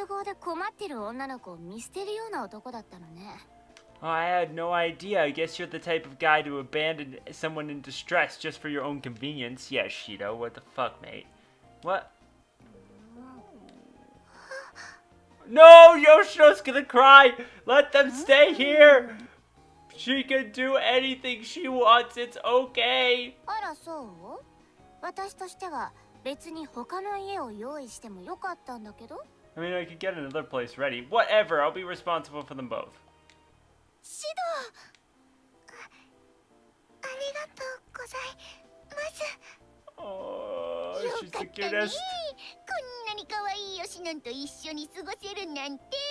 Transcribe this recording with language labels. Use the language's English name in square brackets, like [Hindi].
[Japanese] へえ、知らなかったわ。シドってば、自分の都合で困ってる女の子を見捨てるような男だったのね。 [English] Oh, I had no idea. I guess you're the type of guy to abandon someone in distress just for your own convenience. Yeah, Shido, what the fuck, mate? What? No, Yoshino's gonna cry! Let them stay here! She can do anything she wants, it's okay! I mean, I could get another place ready. Whatever, I'll be responsible for them both. Shido! [Japanese] ありがとうございます! [English] Oh, she's the cutest! [Japanese] こんなに可愛いヨシノンと一緒に過ごせるなんて!